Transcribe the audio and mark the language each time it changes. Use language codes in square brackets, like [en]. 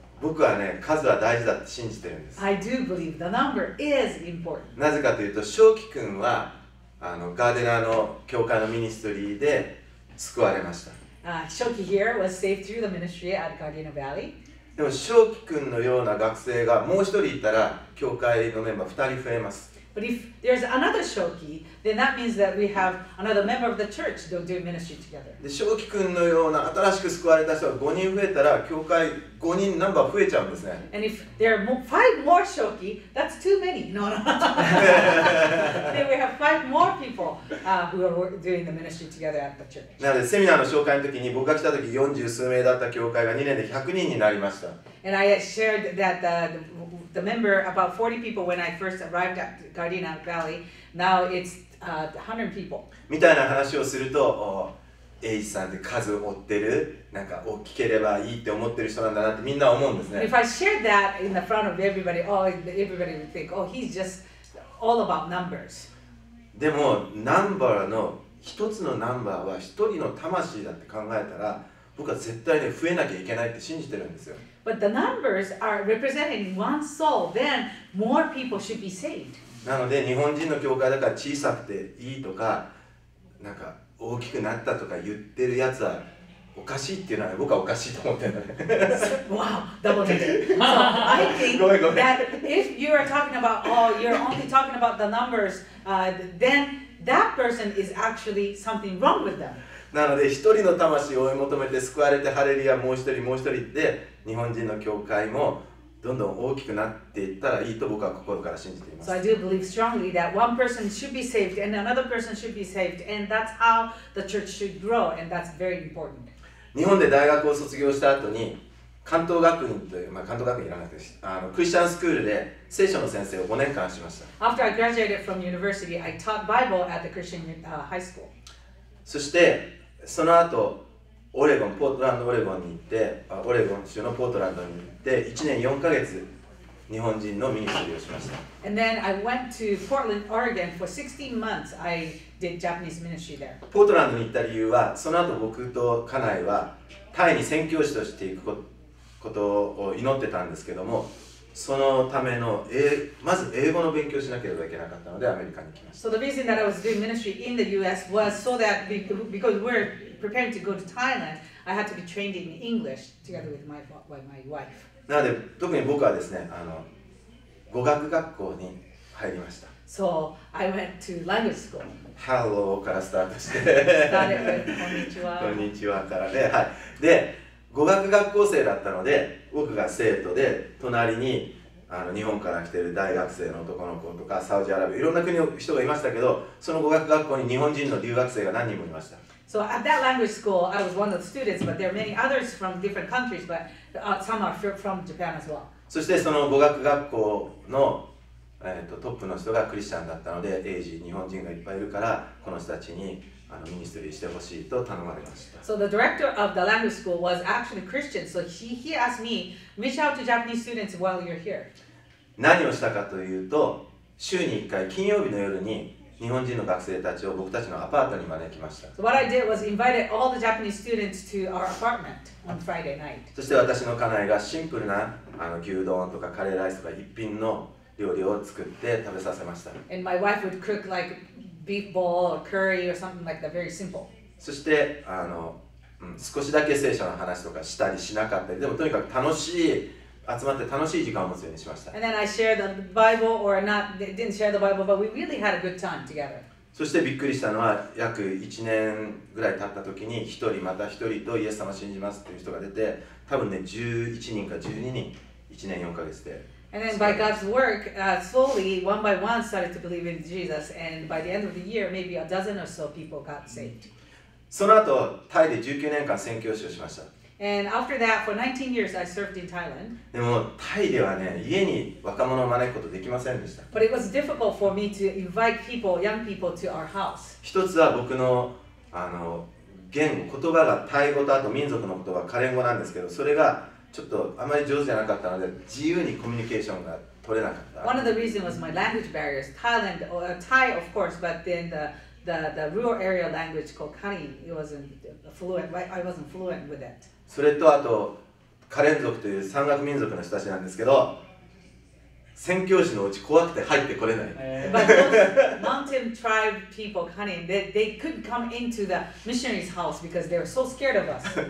[ja] 僕はね、数は大事だって信じてるんです。 [en] I do believe the number is important. [ja] なぜかというと、正樹くんはガーデナーの教会のミニストリーで救われました。 [en] 正樹 here was saved through the ministry at Gardena Valley. [ja] でも正樹くんのような学生がもう一人いたら教会のメンバー二人増えます。 [en] But if there's another Shoki, then that means that we have another member of the church doing ministry together. [ja] で Shoki くんのような新しく救われた人が5人増えたら教会5人ナンバー増えちゃうんですね。 [en] And if there are five more Shoki, that's too many. No, no. Then we have five more people who are doing the ministry together at the church. [ja] なのでセミナーの紹介の時に僕が来た時40数名だった教会が2年で100人になりました。 [en] And I shared that the member, about 40 people when I first arrived at Gardena Valley, now it's 100 people. [ja] みたいな話をすると、英二さんって数追ってる、なんか大きければいいって思ってる人なんだなってみんな思うんですね。 [en] If I shared that in the front of everybody, oh, everybody would think, oh, he's just all about numbers. [ja] でも、ナンバーの、一つのナンバーは一人の魂だって考えたら、僕は絶対に増えなきゃいけないって信じてるんですよ。 [en] But the numbers are representing one soul, then more people should be saved. [ja] なので日本人の教会だから小さくていいとか、なんか大きくなったとか言ってるやつはおかしいっていうのは僕はおかしいと思ってるんだね。 [en] Wow, double negative. So I think that if you are talking about, oh, you're only talking about the numbers, then that person is actually something wrong with them. [ja] なので一人の魂を追い求めて救われてハレリアもう一人もう一人で日本人の教会もどんどん大きくなっていったらいいと僕は心から信じています。 [en] So I do believe strongly that one person should be saved and another person should be saved and that's how the church should grow and that's very important. [ja] 日本で大学を卒業した後に関東学院という、まあ関東学院いらなくてクリスチャンスクールで聖書の先生を5年間しました。 [en] After I graduated from university, I taught Bible at the Christian high school. [ja] そしてその後オレゴン、ポートランドオレゴンに行って、オレゴン州のポートランドに行って1年4ヶ月日本人のミニストリーをしました。 [en] And then I went to Portland, Oregon for 16 months. I did Japanese ministry there. [ja] ポートランドに行った理由はその後僕と家内はタイに宣教師として行くことを祈ってたんですけども、そのためのまず英語の勉強しなければいけなかったのでアメリカに来ました。 [en] So the reason that I was doing ministry in the U.S. was so that because we're preparing to go to Thailand, I had to be trained in English together with my wife. [ja] なので特に僕はですね、語学学校に入りました。 [en] So I went to language school. [ja] Hello からスタートして。こんにちは。こんにちはからで、はい。で、語学学校生だったので、僕が生徒で隣にあの日本から来てる大学生の男の子とかサウジアラビアいろんな国の人がいましたけど、その語学学校に日本人の留学生が何人もいました。 [en] So at that language school, I was one of the students, but there are many others from different countries, but some are from Japan as well. [ja] そしてその語学学校の、トップの人がクリスチャンだったので、英字日本人がいっぱいいるからこの人たちにあのミニストリーしてほしいと頼まれました。 [en] So the director of the language school was actually Christian, so he asked me, reach out to Japanese students while you're here. [ja] 何をしたかというと、週に1回金曜日の夜に日本人の学生たちを僕たちのアパートに招きました。 [en] So what I did was invited all the Japanese students to our apartment on Friday night. [ja] そして私の家内がシンプルなあの牛丼とかカレーライスとか一品の料理を作って食べさせました。 [en] And my wife would cook like beef ball or curry or something like that, very simple. [ja] そしてあの、少しだけ聖書の話とかしたりしなかったり、でもとにかく楽しい。集まって楽しい時間を持つようにしました。 [en] And then I shared the Bible, or not, didn't share the Bible, but we really had a good time together. [ja] そしてびっくりしたのは、約1年ぐらい経った時に、1人また1人とイエス様を信じますという人が出て、多分ね、11人か12人、1年4ヶ月で。 [en] And then by God's work, slowly, one by one, started to believe in Jesus, and by the end of the year, maybe a dozen or so people got saved. [ja] その後、タイで19年間宣教師をしました。 [en] And after that, for 19 years, I served in Thailand. [ja] でもタイではね、家に若者を招くことできませんでした。 [en] But it was difficult for me to invite people, young people, to our house. [ja] 一つは僕の、言語、言葉がタイ語とあと民族の言葉、カレン語なんですけど、それがちょっとあまり上手じゃなかったので、自由にコミュニケーションが取れなかった。 [en] One of the reasons was my language barriers. Thailand, or Thai, of course, but then the rural area language called Karen, it wasn't fluent. I wasn't fluent with it. [ja] それとあとカレン族という山岳民族の人たちなんですけど、宣教師のうち怖くて入ってこれない。 [en] Mountain tribe people coming, they couldn't come into the missionary's house because they were so scared of us.